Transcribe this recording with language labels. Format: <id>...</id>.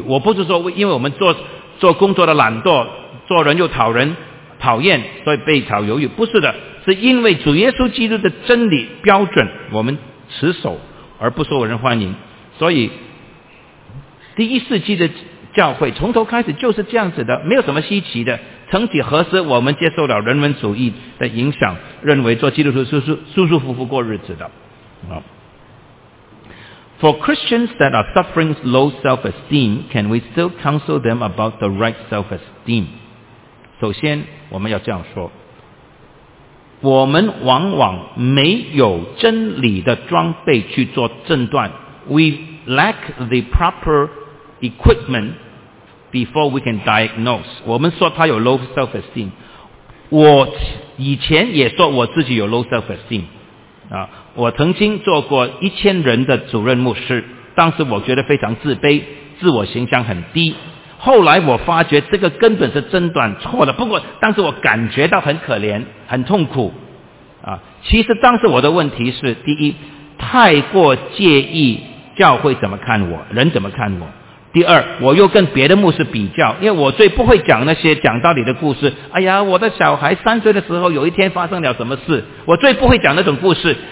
<zh>我不是说因为我们 做工作的懒惰，做人又讨人讨厌，所以被炒鱿鱼，不是的，是因为主耶稣基督的真理标准我们持守而不受人欢迎。所以第一世纪的教会从头开始就是这样子的，没有什么稀奇的。曾几何时我们接受了人文主义的影响，认为做基督徒舒舒服服过日子的</zh> <en>For Christians that are suffering low self-esteem, can we still counsel them about the right self-esteem?</en> <zh>首先，我们要这样说。我们往往没有真理的装备去做诊断。</zh> <en>We lack the proper equipment before we can diagnose.</en> <zh>我们说他有 low self-esteem。我以前也说我自己有 low self-esteem。我曾经做过1000人的主任牧师，当时我觉得非常自卑，自我形象很低。后来我发觉这个根本是诊断错了，不过当时我感觉到很可怜很痛苦其实当时我的问题是，第一，太过介意教会怎么看我，人怎么看我；第二，我又跟别的牧师比较，因为我最不会讲那些讲道理的故事，哎呀，我的小孩3岁的时候有一天发生了什么事，我最不会讲那种故事。</zh>